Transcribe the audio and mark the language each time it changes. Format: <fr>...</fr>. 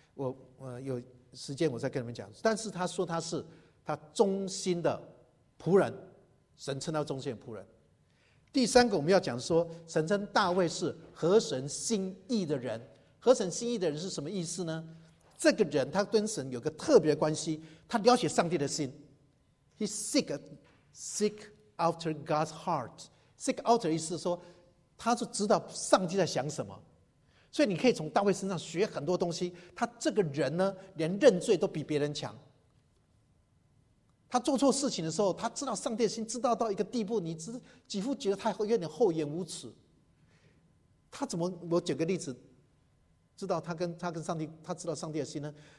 <zh>我有时间我再跟你们讲，但是他说他忠心的仆人，神称他忠心的仆人。第三个我们要讲说，神称大卫是合神心意的人。合神心意的人是什么意思呢？这个人他跟神有个特别关系，他了解上帝的心。</zh> <en>He seek after God's heart， seek after</en> <zh>意思说他就知道上帝在想什么。所以你可以从大卫身上学很多东西，他这个人呢，连认罪都比别人强。他做错事情的时候，他知道上帝的心，知道到一个地步，你几乎觉得他有点厚颜无耻。他怎么？我举个例子，知道他跟上帝，他知道上帝的心呢？</zh>